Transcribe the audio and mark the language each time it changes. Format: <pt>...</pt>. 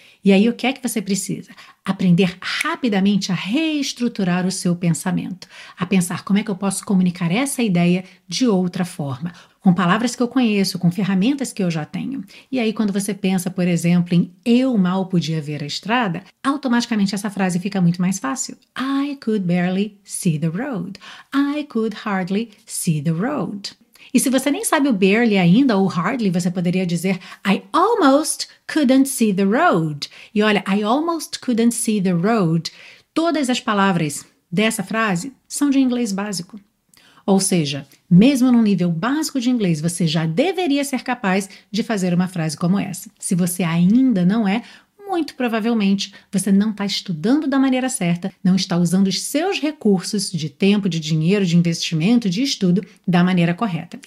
<pt>E aí, o que é que você precisa? Aprender rapidamente a reestruturar o seu pensamento, a pensar como é que eu posso comunicar essa ideia de outra forma, com palavras que eu conheço, com ferramentas que eu já tenho. E aí, quando você pensa, por exemplo, em eu mal podia ver a estrada, automaticamente essa frase fica muito mais fácil.</pt> <en>I could barely see the road. I could hardly see the road.</en> <pt>E se você nem sabe o barely ainda, ou hardly, você poderia dizer</pt> <en>I almost couldn't see the road.</en> <pt>E olha,</pt> <en>I almost couldn't see the road.</en> <pt>Todas as palavras dessa frase são de inglês básico. Ou seja, mesmo num nível básico de inglês, você já deveria ser capaz de fazer uma frase como essa. Se você ainda não é, muito provavelmente você não está estudando da maneira certa, não está usando os seus recursos de tempo, de dinheiro, de investimento, de estudo da maneira correta.</pt>